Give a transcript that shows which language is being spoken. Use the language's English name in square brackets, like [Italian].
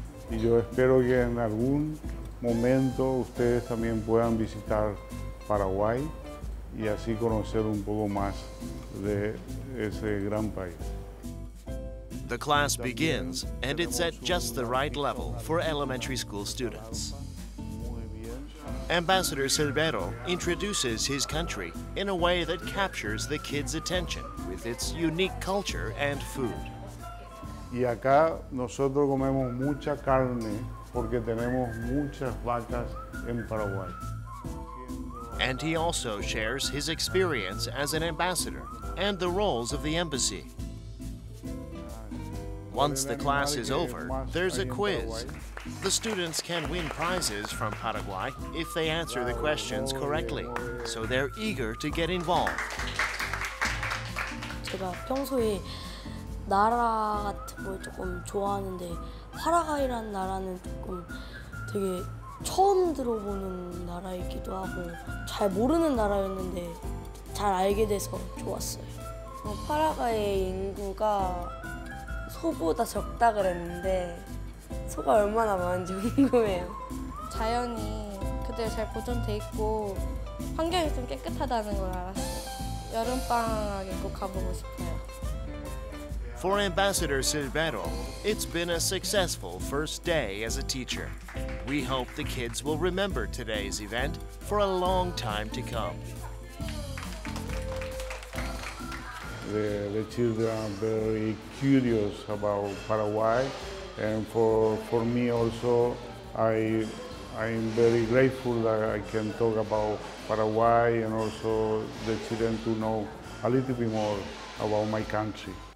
[Spanish] Y yo espero que en algún momento ustedes también puedan visitar Paraguay y así conocer un poco más de ese gran país. [English] The class begins, and it's at just the right level for elementary school students. Ambassador Silvero introduces his country in a way that captures the kids' attention with its unique culture and food. [Spanish] Y acá nosotros comemos mucha carne porque tenemos muchas vacas en Paraguay. [English] And he also shares his experience as an ambassador and the roles of the embassy. Once the class is over, there's a quiz. The students can win prizes from Paraguay if they answer the questions correctly. So they're eager to get involved. [Korean] 제가 평소에 나라 같은 걸 조금 좋아하는데 파라과이라는 나라는 조금 되게 처음 들어보는 나라이기도 하고 잘 모르는 나라였는데 잘 알게 돼서 좋았어요. 파라과이의 인구가 소보다 적다 그랬는데 소가 얼마나 많은지 궁금해요. 자연이 그대로 잘 보존돼 있고 환경이 좀 깨끗하다는 걸 알았어요. 여름방학에 꼭 가보고 싶어요. [English] For Ambassador Silvero, it's been a successful first day as a teacher. We hope the kids will remember today's event for a long time to come. The children are very curious about Paraguay, and for me also, I'm very grateful that I can talk about Paraguay and also the children to know a little bit more about my country.